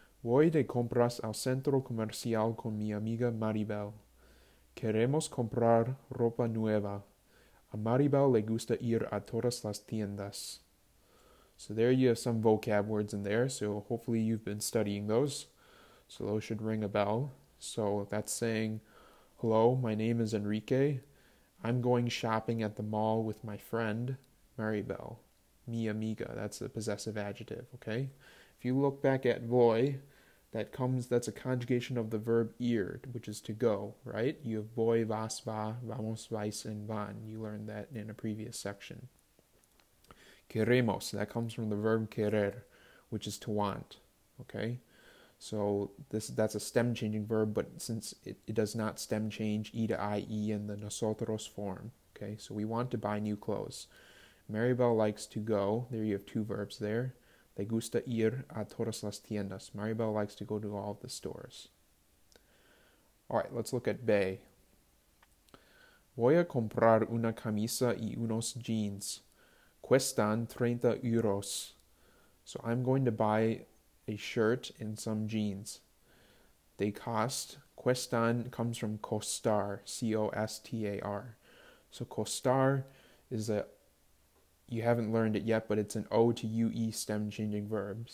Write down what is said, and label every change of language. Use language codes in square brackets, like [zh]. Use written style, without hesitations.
[es] Voy de compras al centro comercial con mi amiga Maribel. Queremos comprar ropa nueva. A Maribel le gusta ir a todas las tiendas." [en] So there you have some vocab words in there. So hopefully you've been studying those. So those should ring a bell. So that's saying, "Hello, my name is Enrique. I'm going shopping at the mall with my friend, Maribel." [es] Mi amiga, [en] that's the possessive adjective, okay? If you look back at voy, that's a conjugation of the verb ir, which is to go, right? You have [es] voy, vas, va, vamos, vais, and van. You learned that in a previous section. [en] Queremos, that comes from the verb querer, which is to want. Okay? So that's a stem changing verb, but since it does not stem change E to IE in the nosotros form. Okay, so we want to buy new clothes. Maribel likes to go. There you have two verbs there. [es] Le gusta ir a todas las tiendas. [en] Maribel likes to go to all the stores. All right, let's look at B. [es] Voy a comprar una camisa y unos jeans. Cuestan 30 euros. [en] So I'm going to buy a shirt and some jeans. They cost, cuestan comes from costar, C-O-S-T-A-R. So costar is a, you haven't learned it yet, but it's an O to U-E stem changing verb.